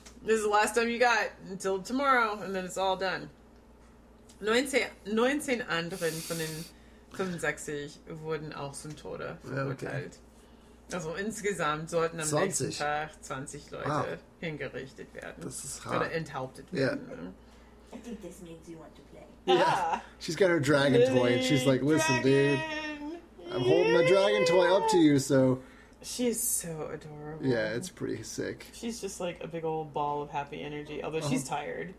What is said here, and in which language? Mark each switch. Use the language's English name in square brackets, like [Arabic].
[English] This is the last time you got until tomorrow, and then it's all done. [German] 19 anderen von den 65 wurden auch zum Tode verurteilt. Okay. Also insgesamt sollten am nächsten Tag 20 Leute hingerichtet werden. Das ist hart. Oder enthauptet werden. [English] Yeah. [German] Ne? [English] I think this means you want to play. Yeah. Ah. She's got her dragon toy and she's like, listen, dude. I'm holding my dragon toy up to you, so. She is so adorable. Yeah, it's pretty sick. She's just like a big old ball of happy energy, although she's tired.